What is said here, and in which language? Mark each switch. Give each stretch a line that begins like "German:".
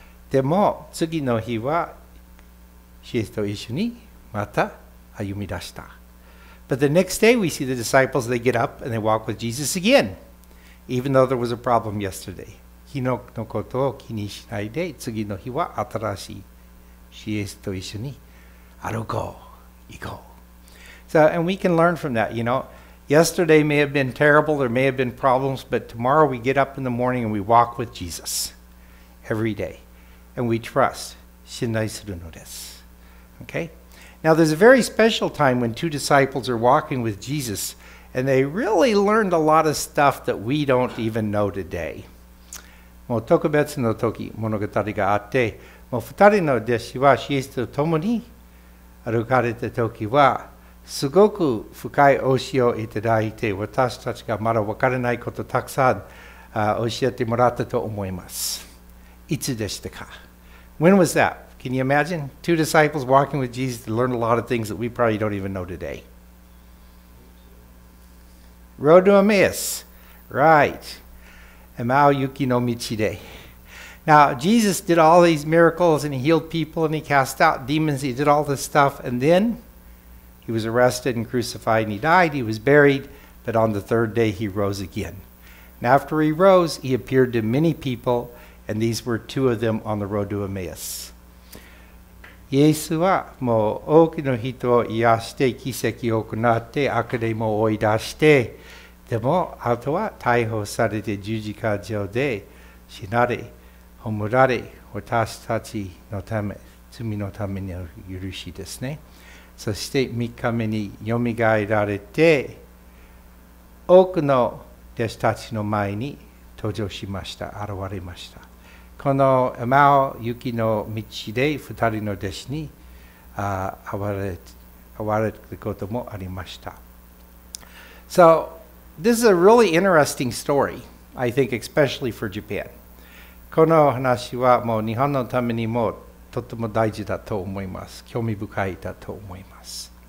Japanese: でも次の日はイエスと一緒にまた歩み出した。
English: But the next day we see the disciples, they get up and they walk with Jesus again, even though there was a problem yesterday.
Japanese: 昨日のことを気にしないで、次の日は新しいイエスと一緒に歩こう、行こう。
English: So, and we can learn from that, you know. Yesterday may have been terrible, there may have been problems, but tomorrow we get up in the morning and we walk with Jesus every day. And we trust.
Japanese: 信頼するのです。
English: Okay? Now there's a very special time when two disciples are walking with Jesus, and they really learned a lot of stuff that we don't even know today.
Japanese: もう特別の時、物語があって、もう二人の弟子はイエスと共に歩かれた時は、すごく深い教えをいただいて、私たちがまだ分からないことをたくさん教えてもらったと思います。いつでしたか?
English: When was that? Can you imagine? Two disciples walking with Jesus to learn a lot of things that we probably don't even know today. Road to Emmaus. Right. Emmaus
Japanese: 行きの道で。
English: Now, Jesus did all these miracles and he healed people and he cast out demons. He did all this stuff and then... He was arrested and crucified and he died. He was buried, but on the third day he rose again. And after he rose, he appeared to many people, and these were two of them on the road to Emmaus.
Japanese: イエスはもう多くの人を癒して、奇跡を行って、悪霊も追い出して、でも後は逮捕されて十字架上で死なれ、葬られ、私たちのため、罪のための許しですね。そして3日目によみがえられて、多くの弟子たちの前に登場しました、現れました。このエマオ行きの道で2人の弟子に会われることもありました。
English: So, this is a really interesting story, I think, especially for Japan.
Japanese: この話はもう日本のためにもとても大事だと思います。興味深いだと思います。